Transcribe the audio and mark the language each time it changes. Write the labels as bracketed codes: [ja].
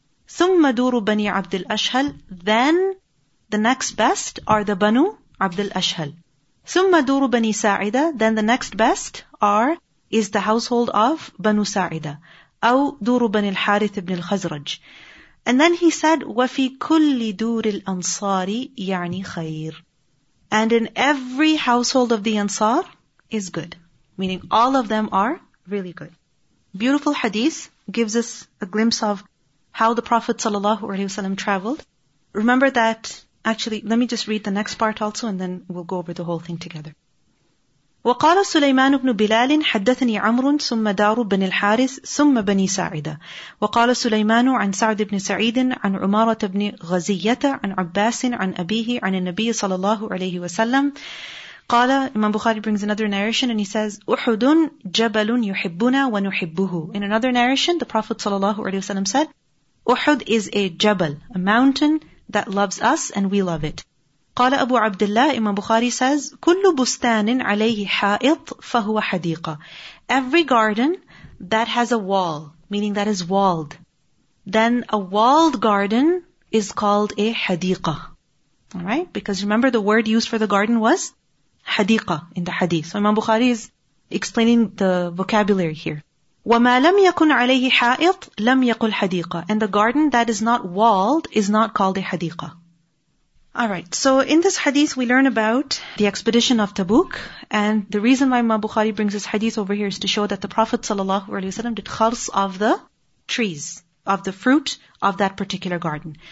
[ar] ثم دور بني عبد الأشهل, [en] then the next best are the Banu عبد الأشهل. [ar] ثم دور بني ساعدة, [en] then the next best is the household of Banu ساعدة. [ar] أو دور بني الحارث بن الخزرج. [en] And then he said, [ar] وفي كل دور الأنصار يعني خير. [en] And in every household of the Ansar is good. Meaning all of them are really good. Beautiful hadith gives us a glimpse of how the Prophet ﷺ traveled. Remember that, actually, let me just read the next part also and then we'll go over the whole thing together. [ar] وقال سليمان بن بلال حدثني عمرو ثم دار بن الحارث ثم بني ساعدة وقال سليمان عن سعد بن سعيد عن عمارة بن غزية عن عباس عن أبيه عن النبي صلى الله عليه وسلم قال [en] Imam Bukhari brings another narration and he says [ar] أحد جبل يحبنا ونحبه. [en] In another narration the Prophet صلى الله عليه وسلم said أحد is a jabal, a mountain that loves us and we love it. [ar] قال أبو عبد الله, [en] Imam Bukhari says, [ar] كل بستان عليه حائط فهو حديقة. [en] Every garden that has a wall, meaning that is walled, then a walled garden is called a حديقة. Alright? Because remember the word used for the garden was حديقة in the hadith. So Imam Bukhari is explaining the vocabulary here. [ar] وما لم يكن عليه حائط لم يقل حديقة. [en] And the garden that is not walled is not called a حديقة. Alright, so in this hadith we learn about the expedition of Tabuk, and the reason why Imam Bukhari brings this hadith over here is to show that the Prophet ﷺ did khars of the trees, of the fruit of that particular garden.